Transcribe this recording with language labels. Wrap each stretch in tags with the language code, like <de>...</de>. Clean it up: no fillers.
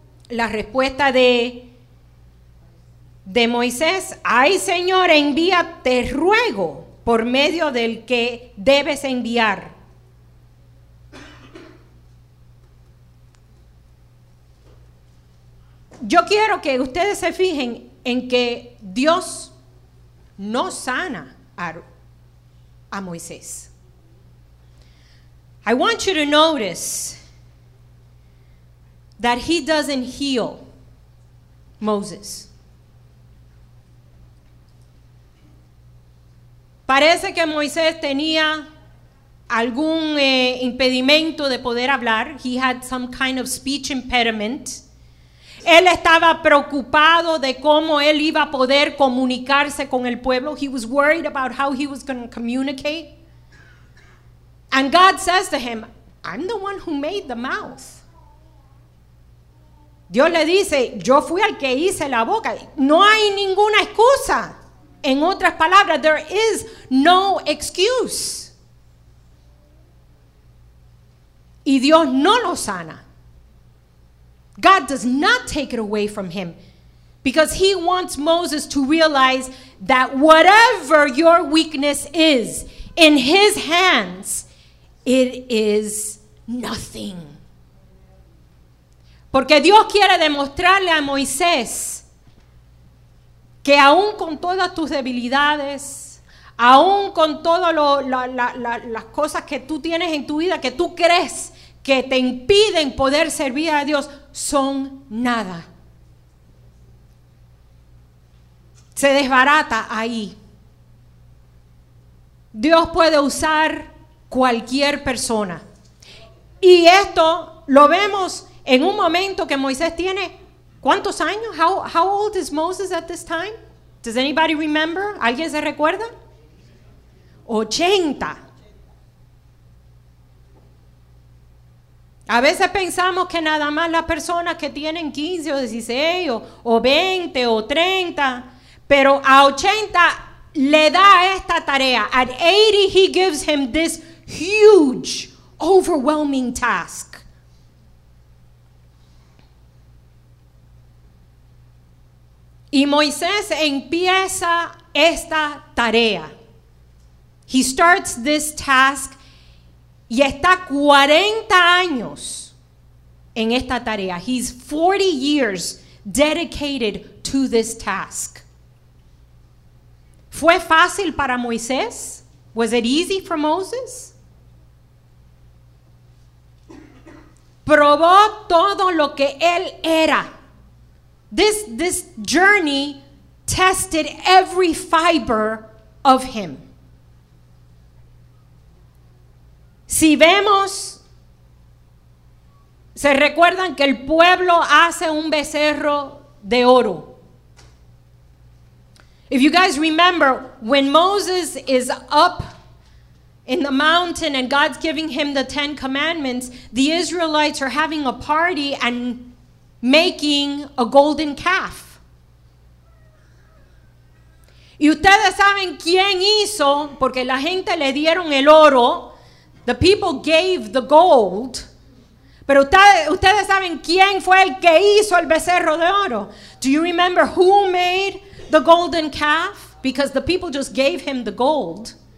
<es>La respuesta de Moisés: ay, Señor, envía, te ruego, por medio del que debes enviar. Yo quiero que ustedes se fijen en que Dios no sana a Moisés.</es> <en>I want you to notice that he doesn't heal Moses.</en> <es>Parece que Moisés tenía algún impedimento de poder hablar.</es> <en>He had some kind of speech impediment.</en> <es>Él estaba preocupado de cómo él iba a poder comunicarse con el pueblo.</es> <en>He was worried about how he was going to communicate. And God says to him, I'm the one who made the mouth.</en> <es>Dios le dice, yo fui el que hice la boca. No hay ninguna excusa. En otras palabras,</es> <en>there is no excuse.</en> <es>Y Dios no lo sana.</es> <en>God does not take it away from him, because he wants Moses to realize that whatever your weakness is, in his hands, it is nothing.</en> <es>Porque Dios quiere demostrarle a Moisés que aún con todas tus debilidades, aún con todas las cosas que tú tienes en tu vida, que tú crees que te impiden poder servir a Dios, son nada. Se desbarata ahí. Dios puede usar cualquier persona. Y esto lo vemos en un momento que Moisés tiene, ¿cuántos años?</es> <en>How old is Moses at this time? Does anybody remember?</en> <es>¿Alguien se recuerda?</es> <en>80.</en> <es>A veces pensamos que nada más las personas que tienen 15 o 16 o 20 o 30, pero a 80 le da esta tarea.</es> <en>At 80 he gives him this huge, overwhelming task.</en> <es>Y Moisés empieza esta tarea.</es> <en>He starts this task</en> <es>y está 40 años en esta tarea.</es> <en>He's 40 years dedicated to this task.</en> <es>¿Fue fácil para Moisés?</es> <en>Was it easy for Moses?</en> <es>Probó todo lo que él era.</es> <en>This journey tested every fiber of him.</en> <es>Si vemos, se recuerdan que el pueblo hace un becerro de oro.</es> <en>If you guys remember, when Moses is up in the mountain and God's giving him the Ten Commandments, the Israelites are having a party and making a golden calf.</en> <es>Y ustedes saben quién hizo, porque la gente le dieron el oro.</es> <en>The people gave the gold.</en> <es>Pero ustedes saben quién fue el que hizo el becerro de oro.</es> <en>Do you remember who made the golden calf? Because the people just gave him the gold.</en>